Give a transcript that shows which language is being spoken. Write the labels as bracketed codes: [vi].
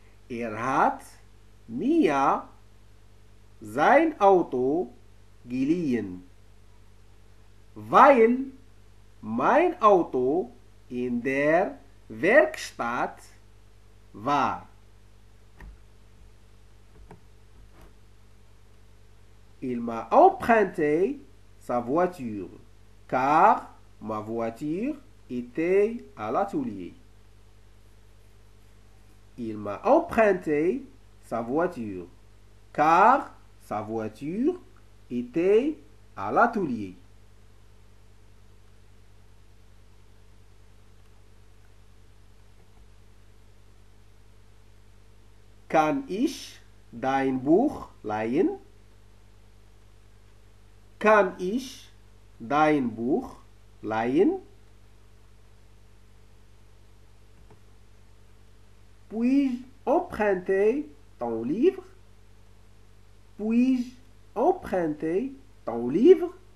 [de] Hat mir sein Auto geliehen, weil mein Auto in der Werkstatt war. [fr] Il m'a emprunté sa voiture, car ma voiture était à l'atelier. Il m'a emprunté sa voiture, car sa voiture était à l'atelier. [de] Kann ich dein Buch leihen? Kann ich dein Buch leihen? [fr] Puis-je emprunter ton livre? Puis-je emprunter ton livre?